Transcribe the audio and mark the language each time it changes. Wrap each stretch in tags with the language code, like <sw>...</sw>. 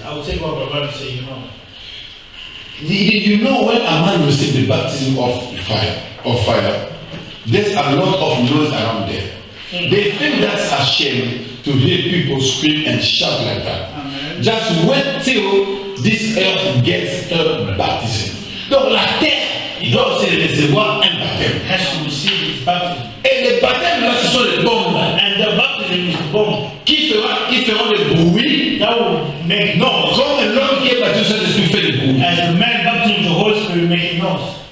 <en>I would say what Brother Brandi said, you know. Did you know when a man received the baptism of fire? Of fire, there's a lot of noise around there. They think that's a shame to hear people scream and shout like that. Amen. Just wait till this earth gets a baptism.</en> <fr>Donc la terre doit se recevoir un baptême.</fr> <en>Has to receive his baptism.</en> <fr>Et le baptême là, ce sont les bombes.</fr> <en>And the baptism is the bomb.</en> <fr>Qui fera le bruit?</fr> <en>That will make noise.</en> <fr>Comme l'homme qui est baptisé, Saint-Esprit fait le bruit.</fr> <en>As the man baptized the Holy Spirit making noise.</en>